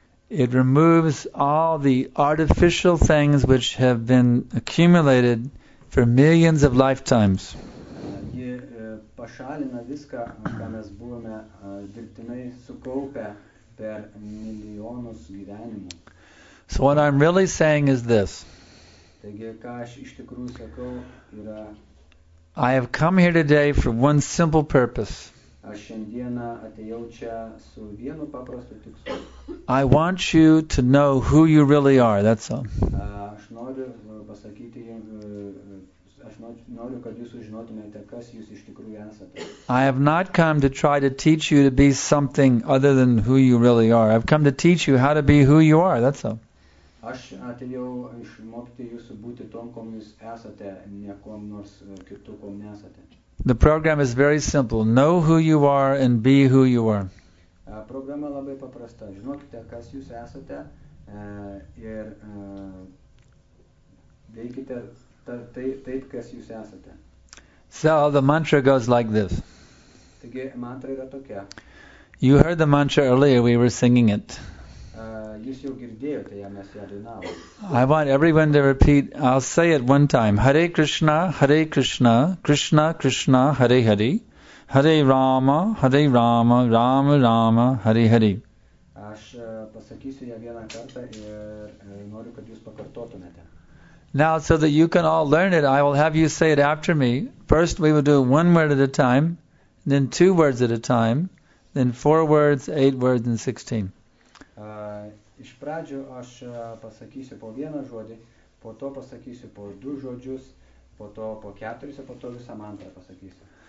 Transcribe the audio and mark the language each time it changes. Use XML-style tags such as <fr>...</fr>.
<en>It removes all the artificial things which have been accumulated for millions of lifetimes.</en> <lt>Ji pašalina viską, ką mes buvome dirbtinai sukaupę per milijonus gyvenimų.</lt> <en>So what I'm really saying is this.</en> <lt>Taigi, ką aš iš tikrųjų sakau, yra</lt> <en>I have come here today for one simple purpose.</en> <lt>Aš šiandieną atėjau čia su vienu paprastu tikslu.</lt> <en>I want you to know who you really are, that's all.</en> <lt>Aš noriu pasakyti jums, aš noriu, kad jūs sužinotumėte, kas jūs iš tikrųjų esate.</lt> <en>I have not come to try to teach you to be something other than who you really are. I've come to teach you how to be who you are, that's all.</en> <lt>Aš atėjau išmokti jūsų būti tom, kom jūs esate, ne kom nors kitu, kom nesate.</lt> <en>The program is very simple. Know who you are and be who you are.</en> <lt>Programa labai paprasta. Žinokite, kas jūs esate ir veikite taip, kas jūs esate.</lt> <en>So the mantra goes like this.</en> <lt>Taigi mantra yra tokia.</lt> <en>You heard the mantra earlier, we were singing it.</en> <lt>Jūs jau girdėjote ją, mes ją dainavome.</lt> <en>I want everyone to repeat, I'll say it one time.</en> <sa>Hare Krishna, Hare Krishna, Krishna Krishna, Hare Hare. Hare Rama, Rama Rama, Hare Hare.</sa> <lt>Aš pasakysiu ją vieną kartą ir noriu, kad jūs pakartotumėte.</lt> <en>Now, so that you can all learn it, I will have you say it after me. First, we will do it one word at a time, then two words at a time, then four words, eight words, and 16.</en> <lt>Iš pradžio aš pasakysiu po vieną žodį, po to pasakysiu po du žodžius, po to po keturis, po to visą mantrą pasakysiu.</lt>